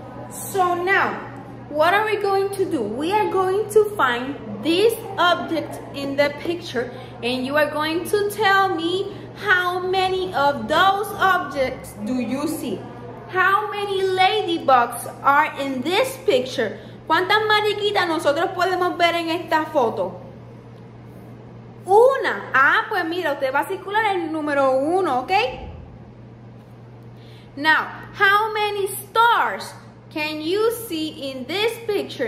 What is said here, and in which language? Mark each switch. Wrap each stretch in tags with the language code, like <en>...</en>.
<en>So now, what are we going to do? We are going to find this object in the picture and you are going to tell me how many of those objects do you see? How many ladybugs are in this picture?</en> <es>¿Cuántas mariquitas nosotros podemos ver en esta foto? Una. Ah, pues mira, usted va a circular el número uno, ¿ok?</es> <en>Now, how many stars can you see in this picture?</en>